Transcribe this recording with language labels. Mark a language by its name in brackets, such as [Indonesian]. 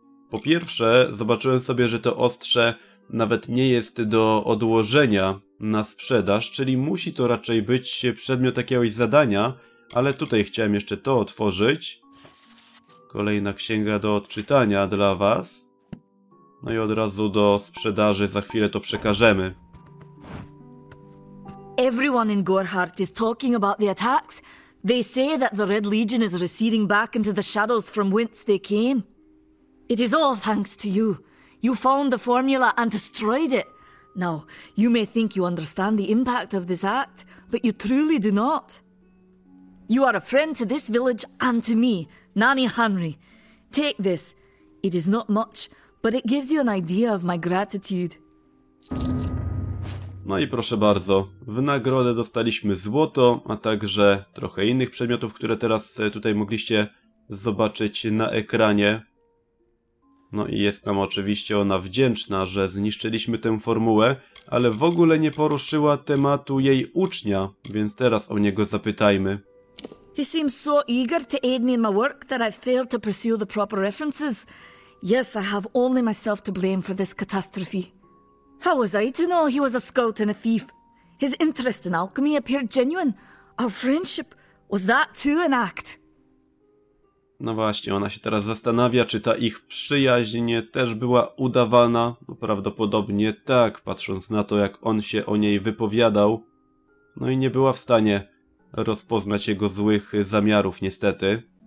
[Polish] Po pierwsze, zobaczyłem sobie, że to ostrze nawet nie jest do odłożenia na sprzedaż, czyli musi to raczej być przedmiot jakiegoś zadania, ale tutaj chciałem jeszcze to otworzyć. Kolejna księga do odczytania dla was. No i od razu do sprzedaży, za chwilę to przekażemy. [English] Everyone in Gorehart is talking about the attacks. They say that the Red Legion is receding back into the shadows from whence they came. It is all thanks to you. You found the formula and destroyed it. Now, you may think you understand the impact of this act, but you truly do not. You are a friend to this village and to me, Nani Henry. Take this. It is not much, but it gives you an idea of my gratitude. [Polish] No i proszę bardzo. W nagrodę dostaliśmy złoto, a także trochę innych przedmiotów, które teraz tutaj mogliście zobaczyć na ekranie. No i jest nam oczywiście ona wdzięczna, że zniszczyliśmy tę formułę, ale w ogóle nie poruszyła tematu jej ucznia, więc teraz o niego zapytajmy. [English] He seems so eager to aid me in my work that I've failed to pursue the proper references. Yes, I have only myself to blame for this catastrophe. How was I to know he was a scout and a thief? His interest in alchemy appeared genuine. Our friendship, was that too an act? [Polish] No właśnie, ona się teraz zastanawia, czy ta ich przyjaźń też była udawana. No prawdopodobnie tak, patrząc na to, jak on się o niej wypowiadał. No i nie była w stanie rozpoznać jego złych zamiarów, niestety.